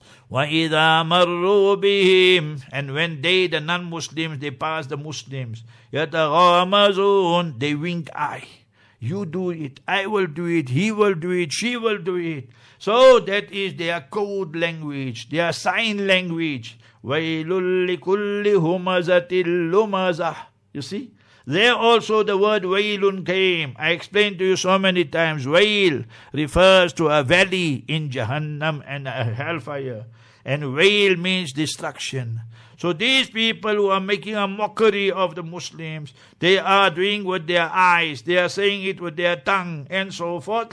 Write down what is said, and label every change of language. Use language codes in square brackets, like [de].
[ar] وَإِذَا مَرُّوا بِهِمْ [en] And when they, the non-Muslims, they pass the Muslims, [ar] يَتَغَامَزُونَ [en] They wink eye. You do it, I will do it, he will do it, she will do it. So that is their code language, their sign language. [ar] وَيْلٌ لِكُلِّ هُمَزَةٍ لُمَزَةٍ [en] You see? There also the word Wailun came. I explained to you so many times. Wail refers to a valley in Jahannam and a hellfire. And Wail means destruction. So these people who are making a mockery of the Muslims, they are doing with their eyes, they are saying it with their tongue and so forth.